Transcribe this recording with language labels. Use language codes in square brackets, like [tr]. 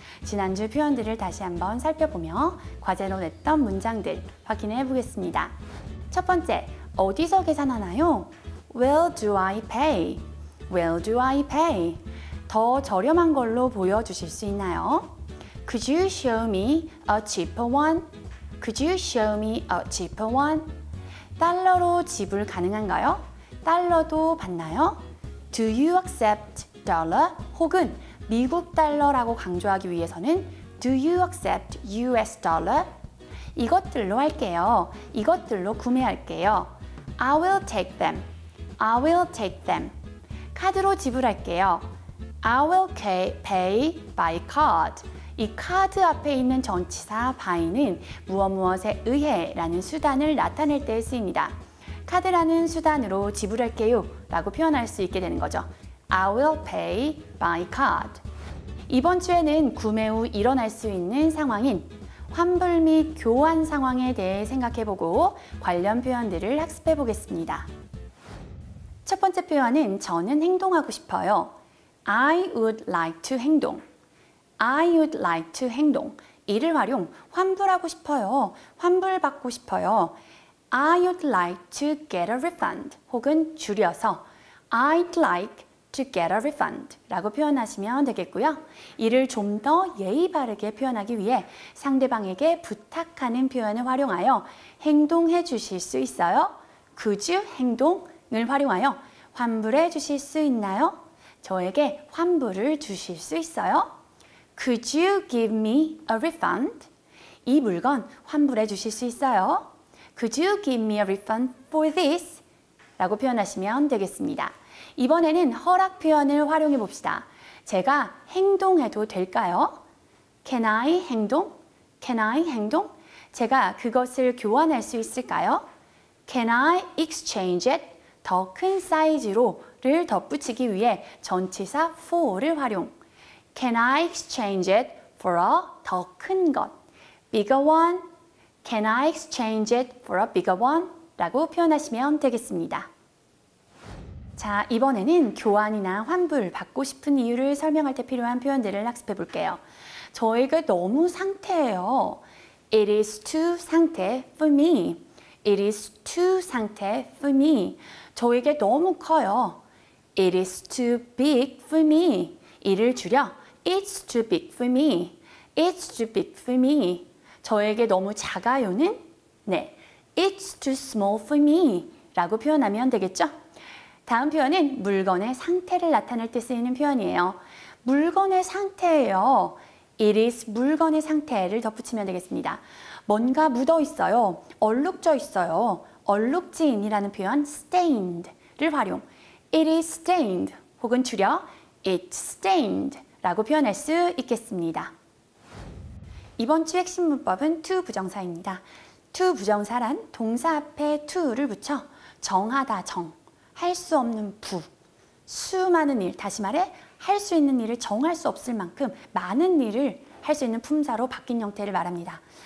[ko] 지난주 표현들을 다시 한번 살펴보며 과제로 냈던 문장들 확인해 보겠습니다. 첫 번째, 어디서 계산하나요? [en] Where do I pay? Where do I pay? [ko] 더 저렴한 걸로 보여주실 수 있나요? [en] Could you show me a cheaper one? Could you show me a cheaper one? [ko] 달러로 지불 가능한가요? 달러도 받나요? [en] Do you accept dollar? [ko] 혹은 미국 달러라고 강조하기 위해서는 [en] Do you accept US dollar? [ko] 이것들로 할게요. 이것들로 구매할게요. [en] I will take them. I will take them. [ko] 카드로 지불할게요. [en] I will pay by card. [ko] 이 카드 앞에 있는 전치사 by는 무엇무엇에 의해 라는 수단을 나타낼 때 쓰입니다. 카드라는 수단으로 지불할게요 라고 표현할 수 있게 되는 거죠. [en] I will pay by card. [ko] 이번 주에는 구매 후 일어날 수 있는 상황인 환불 및 교환 상황에 대해 생각해보고 관련 표현들을 학습해보겠습니다. 첫 번째 표현은 저는 행동하고 싶어요. [en] I would like to 행동. I would like to 행동. [ko] 이를 활용 환불하고 싶어요. 환불받고 싶어요. [en] I would like to get a refund. [ko] 혹은 줄여서 [en] I'd like to get a refund [ko] 라고 표현하시면 되겠고요. 이를 좀 더 예의 바르게 표현하기 위해 상대방에게 부탁하는 표현을 활용하여 행동해 주실 수 있어요? [en] Could you [ko] 행동을 활용하여 환불해 주실 수 있나요? 저에게 환불을 주실 수 있어요? [en] Could you give me a refund? [ko] 이 물건 환불해 주실 수 있어요? [en] Could you give me a refund for this? [ko] 라고 표현하시면 되겠습니다. 이번에는 허락 표현을 활용해 봅시다. 제가 행동해도 될까요? [en] Can I 행동? Can I 행동? [ko] 제가 그것을 교환할 수 있을까요? [en] Can I exchange it? [ko] 더 큰 사이즈로를 덧붙이기 위해 전치사 for를 활용. [en] Can I exchange it for a [ko] 더 큰 것? [en] Bigger one? Can I exchange it for a bigger one? [ko] 라고 표현하시면 되겠습니다. 자, 이번에는 교환이나 환불 받고 싶은 이유를 설명할 때 필요한 표현들을 학습해 볼게요. 저에게 너무 상태예요. [en] It is too 상태 for me. It is too 상태 for me. [ko] 저에게 너무 커요. [en] It is too big for me. [ko] 이를 줄여 [en] It's too big for me. It's too big for me. [ko] 저에게 너무 작아요는? 네. [en] It's too small for me. [ko] 라고 표현하면 되겠죠? 다음 표현은 물건의 상태를 나타낼 때 쓰이는 표현이에요. 물건의 상태예요. It is 물건의 상태를 덧붙이면 되겠습니다. 뭔가 묻어 있어요. 얼룩져 있어요. 얼룩진이라는 표현 stained를 활용. [en] It is stained [ko] 혹은 줄여 [en] It's stained. [ko] 라고 표현할 수 있겠습니다. 이번 주 핵심 문법은 to 부정사입니다. to 부정사란 동사 앞에 to를 붙여 정하다 정, 할 수 없는 부, 수많은 일, 다시 말해 할 수 있는 일을 정할 수 없을 만큼 많은 일을 할 수 있는 품사로 바뀐 형태를 말합니다.